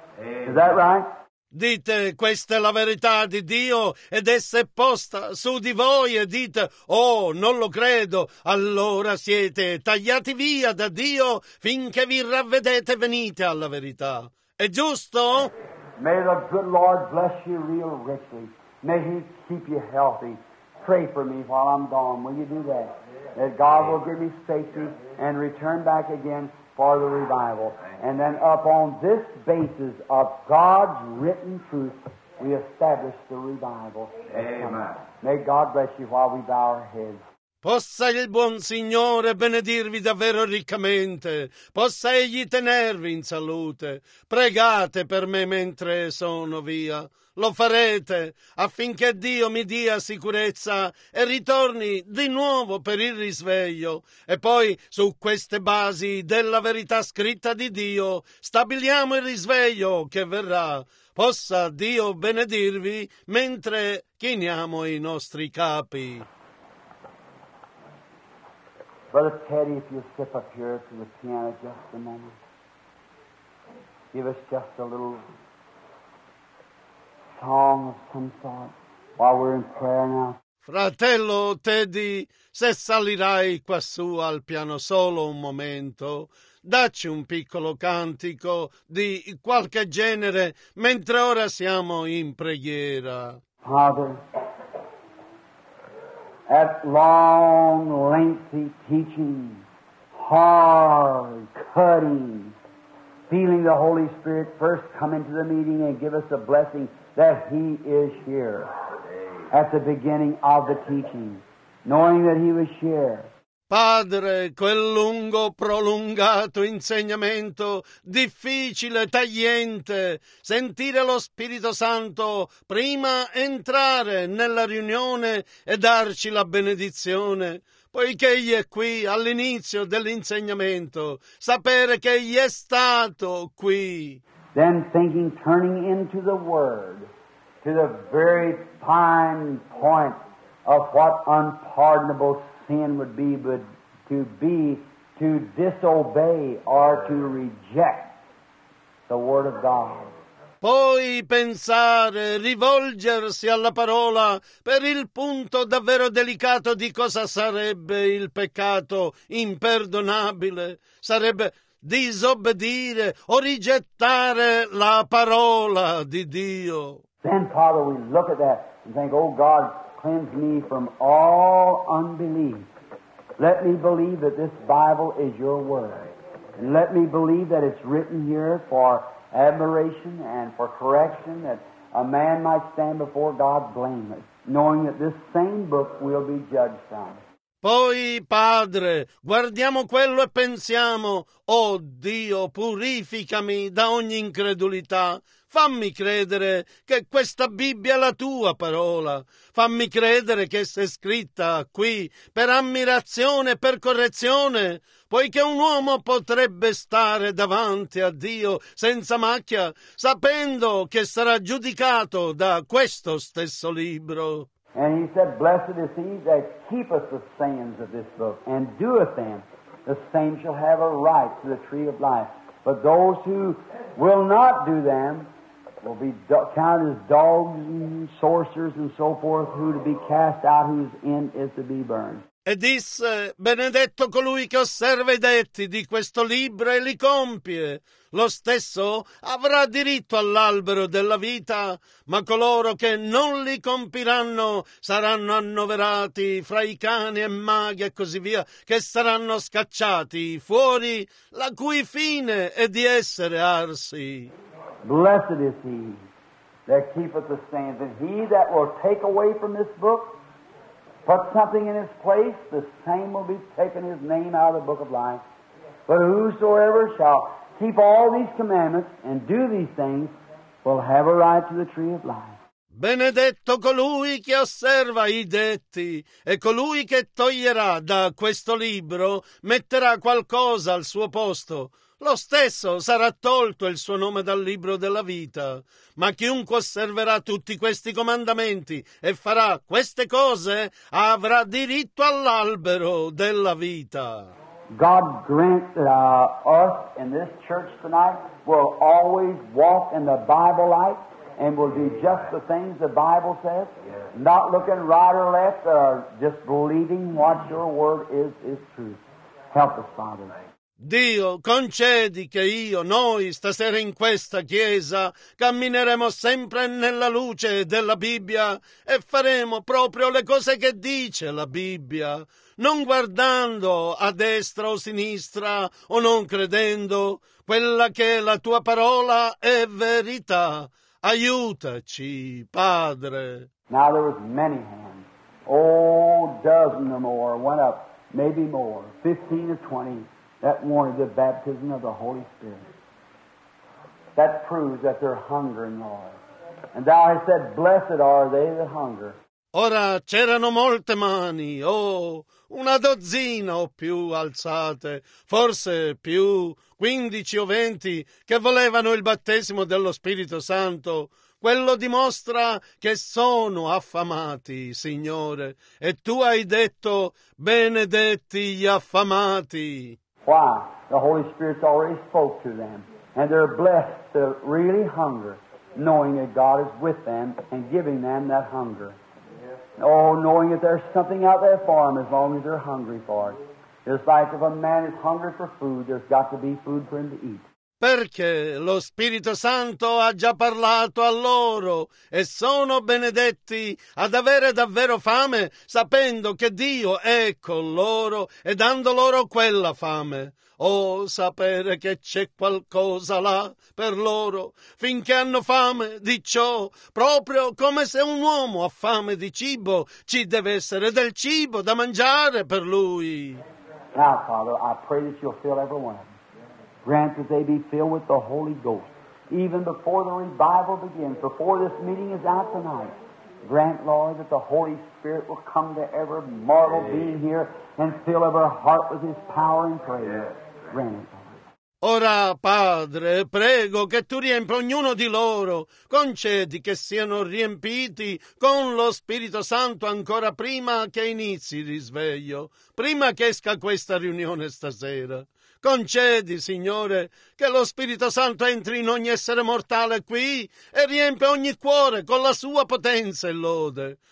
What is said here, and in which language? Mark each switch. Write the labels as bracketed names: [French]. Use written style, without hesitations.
[English] Amen. Is that right? [Italian] Dite, questa è la verità di Dio, ed essa è posta su di voi, e dite, oh, non lo credo, allora siete tagliati via da Dio finché vi ravvedete e venite alla verità. È giusto? [English] May the good Lord bless you real richly. May He keep you healthy. Pray for me while I'm gone. Will you do that? That God will give me safety and return back again for the revival. And then upon this basis of God's written truth, we establish the revival. Amen. May God bless you while we bow our heads. [Italian] Possa il buon Signore benedirvi davvero riccamente. Possa Egli tenervi in salute. Pregate per me mentre sono via. Lo farete affinché Dio mi dia sicurezza e ritorni di nuovo per il risveglio. E poi, su queste basi della verità scritta di Dio, stabiliamo il risveglio che verrà. Possa Dio benedirvi mentre chiniamo i nostri capi. [English] Brother Teddy, if you'll step up here to the piano just a moment. Give us just a little song of some sort while we're in prayer now. [Italian] Fratello Teddy, se salirai quassù al piano solo un momento, dacci un piccolo cantico di qualche genere mentre ora siamo in preghiera. [English] Father, at long, lengthy teaching, hard, cutting, feeling the Holy Spirit first come into the meeting and give us a blessing that He is here at the beginning of the teaching, knowing that He was here. [Italian] Padre, quel lungo, prolungato insegnamento, difficile, tagliente, sentire lo Spirito Santo prima entrare nella riunione e darci la benedizione, poiché Egli è qui all'inizio dell'insegnamento, sapere che Egli è stato qui. [English] Then thinking, turning into the Word, to the very fine point of what unpardonable sin would be, but to be, to disobey or to reject the Word of God. [Italian] Poi pensare, rivolgersi alla parola per il punto davvero delicato di cosa sarebbe il peccato imperdonabile, sarebbe disobbedire o rigettare la parola di Dio. [English] Then, Father, we look at that and think, oh, God, cleanse me from all unbelief. Let me believe that this Bible is Your Word. And let me believe that it's written here for admiration and for correction, that a man might stand before God blameless, knowing that this same book will be judged on. [Italian] Poi, Padre, guardiamo quello e pensiamo, oh Dio, purificami da ogni incredulità. Fammi credere che questa Bibbia è la Tua parola. Fammi credere che essa è scritta qui per ammirazione e per correzione, poiché un uomo potrebbe stare davanti a Dio senza macchia, sapendo che sarà giudicato da questo stesso libro. [English] And he said, blessed is he that keepeth the sayings of this book, and doeth them, the same shall have a right to the tree of life. But those who will not do them will be counted as dogs and sorcerers and so forth, who to be cast out, whose end is to be burned. [Italian] E disse, benedetto colui che osserva i detti di questo libro e li compie. Lo stesso avrà diritto all'albero della vita, ma coloro che non li compiranno saranno annoverati fra i cani e maghi e così via, che saranno scacciati fuori, la cui fine è di essere arsi. [English] Blessed is he that keepeth the sayings, and he that will take away from this book, put something in his place, the same will be taken his name out of the book of life. But whosoever shall keep all these commandments and do these things will have a right to the tree of life. [Italian] Benedetto colui che osserva i detti, e colui che toglierà da questo libro metterà qualcosa al suo posto. Lo stesso sarà tolto il suo nome dal libro della vita, ma chiunque osserverà tutti questi comandamenti e farà queste cose avrà diritto all'albero della vita. [English] God grant that us in this church tonight will always walk in the Bible light and will do just the things the Bible says, not looking right or left, just believing what your word is truth. Help us, Father. [Italian] Dio, concedi che io, noi, stasera in questa chiesa, cammineremo sempre nella luce della Bibbia e faremo proprio le cose che dice la Bibbia, non guardando a destra o sinistra o non credendo, quella che è la Tua parola è verità. Aiutaci, Padre. [English] Now there was many hands. Oh, dozen or more went up, maybe more, 15 or 20. That warned the baptism of the Holy Spirit. That proves that they're hungering, Lord. And thou hast said, blessed are they that hunger. [Italian] Ora c'erano molte mani, oh, una dozzina o più alzate, forse più, 15 o 20, che volevano il battesimo dello Spirito Santo. Quello dimostra che sono affamati, Signore. E Tu hai detto, benedetti gli affamati. [English] Why? The Holy Spirit's already spoke to them, and they're blessed to really hunger, knowing that God is with them and giving them that hunger. Yes. Oh, knowing that there's something out there for them as long as they're hungry for it. Just like if a man is hungry for food, there's got to be food for him to eat. [Italian] Perché lo Spirito Santo ha già parlato a loro e sono benedetti ad avere davvero fame, sapendo che Dio è con loro e dando loro quella fame. Oh, sapere che c'è qualcosa là per loro, finché hanno fame di ciò, proprio come se un uomo ha fame di cibo, ci deve essere del cibo da mangiare per lui. [English] Now, Father, I pray that you'll fill everyone. Grant that they be filled with the Holy Ghost, even before the revival begins, before this meeting is out tonight. Grant, Lord, that the Holy Spirit will come to every mortal being here and fill every heart with His power and prayer. Grant it, Lord. [Italian] Ora, Padre, prego che Tu riempi ognuno di loro. Concedi che siano riempiti con lo Spirito Santo ancora prima che inizi il risveglio, prima che esca questa riunione stasera. Concedi, Signore, che lo Spirito Santo entri in ogni essere mortale qui e riempia ogni cuore con la Sua potenza e lode.